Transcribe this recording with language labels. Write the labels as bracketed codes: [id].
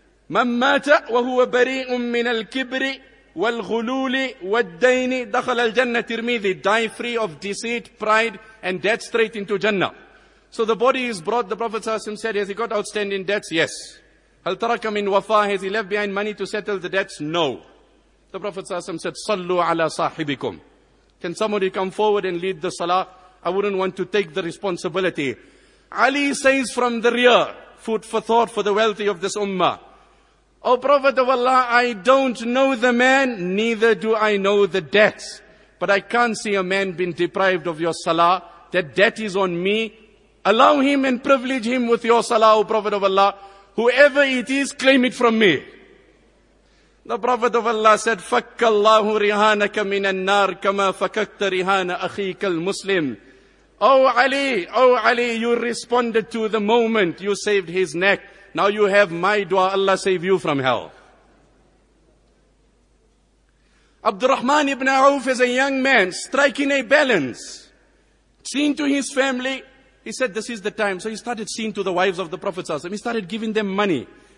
[ar] مَن مَاتَ وَهُوَ بَرِيءٌ مِّنَ الْكِبْرِ وَالْغُلُولِ وَالدَّيْنِ دَخَلَ الْجَنَّةِ تِرْمِذِ. [en] Die free of deceit, pride, and debt straight into Jannah. So the body is brought, the Prophet ﷺ said, has he got outstanding debts? [ar] Yes. هَلْ تَرَكَ مِنْ وَفَا. [en] Has he left behind money to settle the debts? No. The Prophet ﷺ said, [ar] صَلُّوا عَلَى صَاحِبِكُمْ. [en] Can somebody come forward and lead the salah? I wouldn't want to take the responsibility. Ali says from the rear, food for thought for the wealthy of this ummah. O Prophet of Allah, I don't know the man, neither do I know the debts. But I can't see a man being deprived of your salah. That debt is on me. Allow him and privilege him with your salah, O Prophet of Allah. Whoever it is, claim it from me. The Prophet of Allah said, [ar] فَكَّ اللَّهُ رِهَانَكَ مِنَ النَّارِ كَمَا فَكَكْتَ رِهَانَ أَخِيكَ الْمُسْلِمِ. [en] Oh Ali, oh Ali, you responded to the moment you saved his neck. Now you have my dua, Allah save you from hell. Abdul Rahman ibn Auf is a young man striking a balance. Seen to his family, he said, this is the time. So he started seeing to the wives of the Prophet ﷺ. He started giving them money.